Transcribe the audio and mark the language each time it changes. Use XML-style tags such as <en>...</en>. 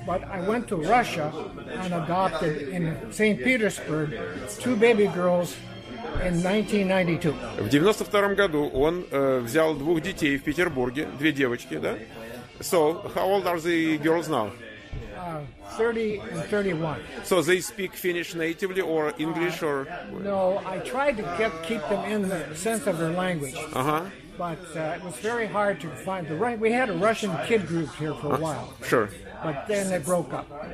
<en>But I went to Russia and adopted in St. Petersburg two baby girls in 1992.</en> <ru>В 92 году он взял двух детей в Петербурге, две девочки, да?</ru> <en>So, how old are the girls now? 30 and 31. So they speak Finnish natively or English or? No, I tried to keep them in the sense of their language. Uh-huh. But it was very hard to find the right. We had a Russian kid group here for a while. Sure. But then they broke up.</en>